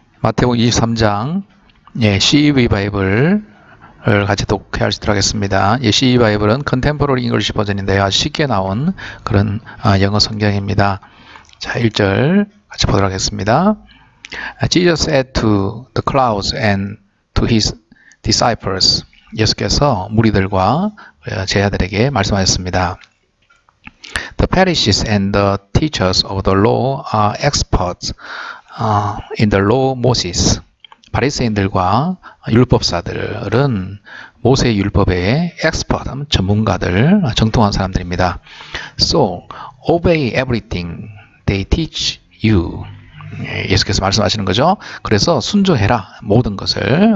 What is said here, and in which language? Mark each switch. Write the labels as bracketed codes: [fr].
[ko] 마태복음 23장, 시위 바이블을 같이 독해할 수 있도록 하겠습니다. 시위 바이블은 컨템포러리 잉글리시 버전인데요. 아주 쉽게 나온 그런 영어 성경입니다. 자, 1절 같이 보도록 하겠습니다. [en] Jesus said to the crowds and to his disciples. [ko] 예수께서 무리들과 제자들에게 말씀하셨습니다. [en] The Pharisees and the teachers of the law are experts in the law Moses. [ko] 바리새인들과 율법사들은 모세 율법의 expert, 전문가들, 정통한 사람들입니다. [en] So, obey everything they teach you. [ko] 예수께서 말씀하시는 거죠. 그래서 순종해라. 모든 것을.